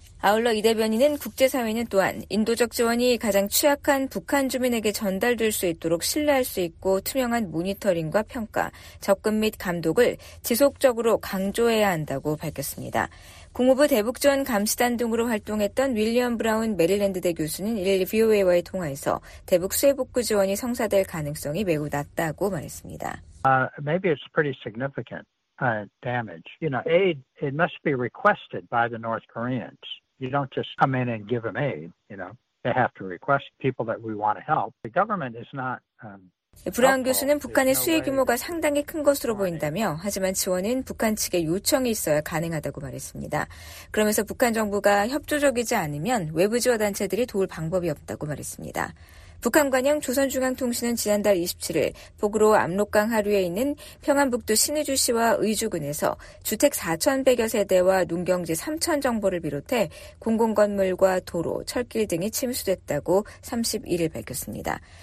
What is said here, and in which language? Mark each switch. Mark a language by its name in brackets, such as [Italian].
[Korean] 아울러 이 대변인은 국제사회는 또한 인도적 지원이 가장 취약한 북한 주민에게 전달될 수 있도록 신뢰할 수 있고 투명한 모니터링과 평가, 접근 및 감독을 지속적으로 강조해야 한다고 밝혔습니다. 국무부 대북지원 감시단 등으로 활동했던 윌리엄 브라운 메릴랜드대 교수는 1일 VOA와의 통화에서 대북 수해복구 지원이 성사될 가능성이 매우 낮다고 말했습니다. [English] Maybe it's pretty significant damage. You know, aid, it must be requested by the North Koreans. You don't just come in and give them aid, you know. They have to request people that we want to help. The government is not [Korean] 브라운 교수는 북한의 수해 규모가 상당히 큰 것으로 보인다며 하지만 지원은 북한 측의 요청이 있어야 가능하다고 말했습니다. 그러면서 북한 정부가 협조적이지 않으면 외부 지원 단체들이 도울 방법이 없다고 말했습니다. 북한 관영 조선중앙통신은 지난달 27일 북으로 압록강 하류에 있는 평안북도 신의주시와 의주군에서 주택 4,100여 세대와 농경지 3,000 정보를 비롯해 공공건물과 도로, 철길 등이 침수됐다고 31일 밝혔습니다.